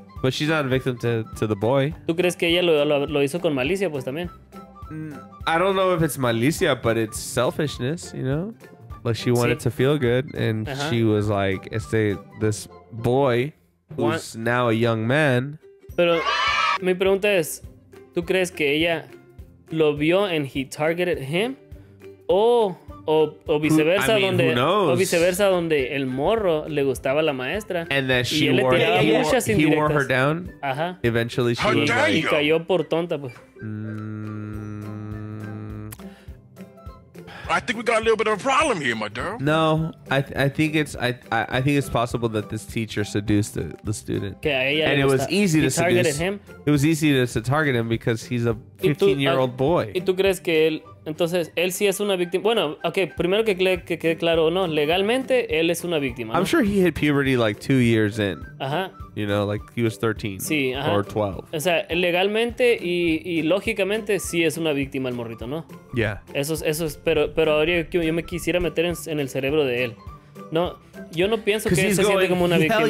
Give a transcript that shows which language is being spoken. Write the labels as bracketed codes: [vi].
[en] But she's not a victim to the boy. [es] ¿Tú crees que ella lo hizo con malicia, pues también? [en] I don't know if it's malicia, but it's selfishness, you know? Like, she wanted to feel good, and she was like, this boy... Who's now a young man. [es] Pero mi pregunta es, ¿tú crees que ella lo vio [en] and he targeted him. [es] O viceversa, [en] I mean, [es] donde [en] who knows? [es] O viceversa, donde el morro le gustaba la maestra. [en] And that she wore, [es] le tiraba muchas indirectas. [en] He wore her down. [es] Ajá. [en] Eventually she [es] y cayó por tonta, pues. [en] I think we got a little bit of a problem here, my girl. No, I think it's possible that this teacher seduced the student. Okay, and it was easy to seduce him. It was easy to target him because he's a 15-year-old boy. [es] ¿Y tú crees que él, entonces él sí es una víctima? Bueno, okay, primero que quede claro, no, legalmente él es una víctima. [en] I'm sure he hit puberty like 2 years in. [es] Ajá. [en] You know, like he was 13. [es] Sí, ajá. [en] Or 12. [es] O sea, legalmente y lógicamente sí es una víctima el morrito, ¿no? [en] Yeah. [es] Eso es, pero ahora yo me quisiera meter en el cerebro de él. No, yo no pienso que él se siente como una víctima.